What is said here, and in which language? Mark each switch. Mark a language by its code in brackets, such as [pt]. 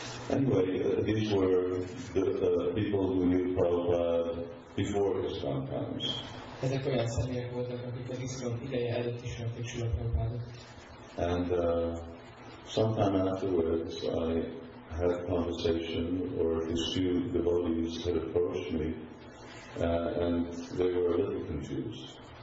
[en] Anyway, these were the people who knew Prabhupada before Islam times. [hu] Ezek olyan személyek voltak, akik az iszlám ideje előtt ismerték Srila Prabhupádot. [en] And sometime afterwards, I had a conversation, or a few devotees had approached me, and they were a little confused.